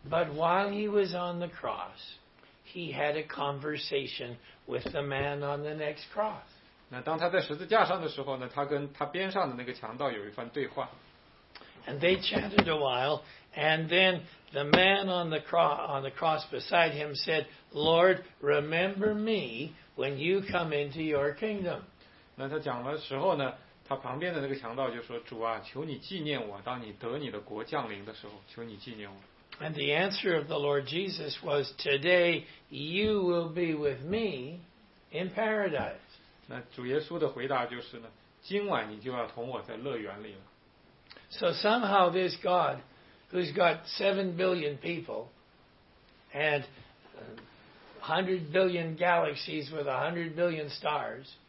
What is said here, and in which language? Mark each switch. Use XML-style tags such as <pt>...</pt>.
<en>But while he was on the cross, he had a conversation with the man on the next cross.</en> <zh>那当他在十字架上的时候呢，他跟他边上的那个强盗有一番对话。</zh> <en>And they chatted a while, and then the man on the cross beside him said, Lord, remember me when you come into your kingdom.</en> <zh>那他讲的时候呢，他旁边的那个强盗就说，主啊，求你纪念我，当你得你的国降临的时候，求你纪念我。</zh> <en>And the answer of the Lord Jesus was, today you will be with me in paradise.</en> <zh>那主耶稣的回答就是呢，今晚你就要同我在乐园里了。</zh> <en>So somehow this God, who's got 7 billion people and 100 billion galaxies with 100 billion stars,</en>